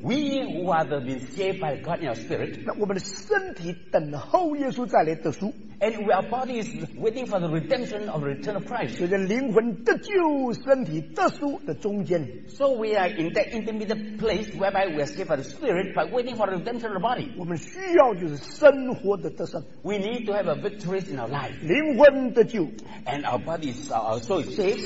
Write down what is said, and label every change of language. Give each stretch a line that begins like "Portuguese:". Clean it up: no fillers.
English: We who are the been saved by God in our spirit.
Chinese: 那我们的身体等候耶稣再来得赎。
English: And our body is waiting for the redemption of the return of Christ.
Chinese: 这个灵魂得救，身体得赎的中间。
English: So we are in that intermediate place whereby we are saved by the Spirit but waiting for the redemption of the body.
Chinese: 我们需要就是生活的得胜。
English: We need to have a victory in our life.
Chinese: 灵魂得救。
English: And our body is our soul is saved.